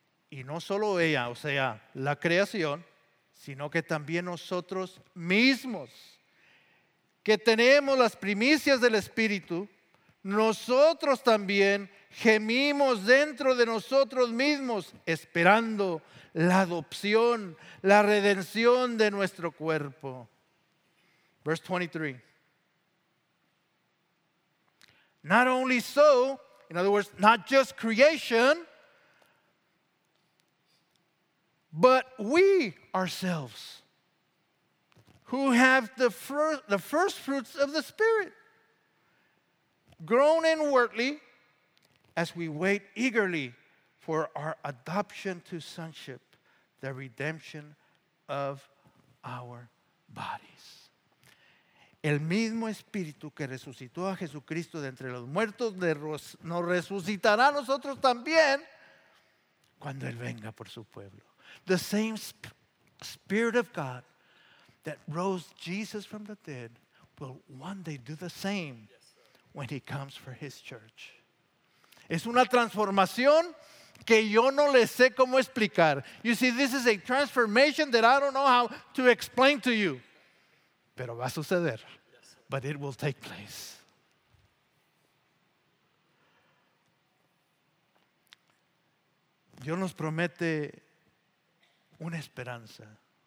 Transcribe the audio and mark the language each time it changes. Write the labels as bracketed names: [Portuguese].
[Spanish] Y no solo ella, o sea, la creación, sino que también nosotros mismos, que tenemos las primicias del Espíritu, nosotros también gemimos dentro de nosotros mismos, esperando la adopción, la redención de nuestro cuerpo. [English] Verse 23. Not only so, in other words, not just creation, but we ourselves, who have the first fruits of the Spirit, grown inwardly as we wait eagerly for our adoption to sonship, the redemption of our bodies. [Spanish] El mismo Espíritu que resucitó a Jesucristo de entre los muertos nos resucitará a nosotros también cuando Él venga por su pueblo. [English] The same Spirit of God that rose Jesus from the dead will one day do the same when He comes for His church. [Spanish] Es una transformación que yo no le sé cómo explicar. [English] You see, this is a transformation that I don't know how to explain to you. [Spanish] Pero va a suceder. [English] But it will take place. [Spanish] Dios nos promete una esperanza.